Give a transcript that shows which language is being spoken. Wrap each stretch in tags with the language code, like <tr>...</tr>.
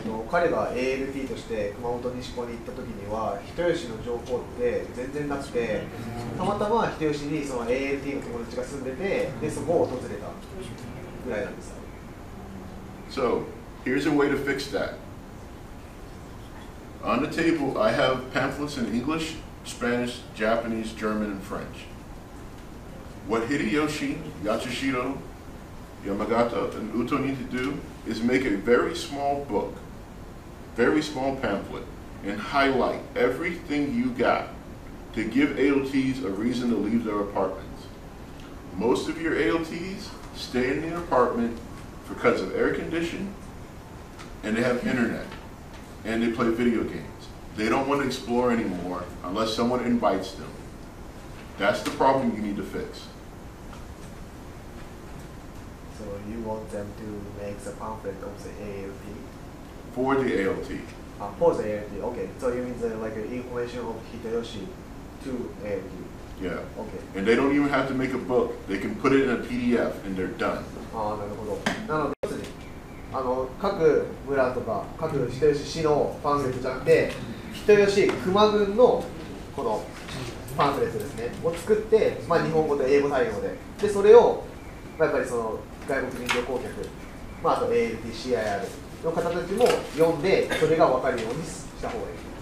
<ja>彼が ALT として熊本西高に行った時には人吉の情報って全然なくて、たまたま人吉にその ALT の友達が住んでて、でそこを訪れたぐらいなんです。</ja> <en>So, here's a way to fix that. On the table, I have pamphlets in English, Spanish, Japanese, German, and French. what Hideyoshi, Yatsushiro, Yamagata, and Uto need to do is make a very small book, very small pamphlet, and highlight everything you got to give AOTs a reason to leave their apartments. Most of your AOTs stay in the apartment because of air condition, and they have internet, and they play video games. They don't want to explore anymore unless someone invites them. That's the problem you need to fix. So you want them to make the pamphlet of the AOT? For the AOT. For the AOT, okay. So you mean the like information of Hideyoshi to AOT? Yeah. Okay. And they don't even have to make a book. They can put it in a PDF and they're done.</en> <ja>ああ、なるほど。なので、要するに、あの、各村とか、各人吉市のパンフレットじゃなくて、人吉熊郡のこのパンフレットですね、を作って、まあ、日本語で英語対応で、で、それを、まあ、やっぱりその外国人旅行客、まあ、あと ALT、CIR の方たちも読んで、それが分かるようにした方がいい。</ja>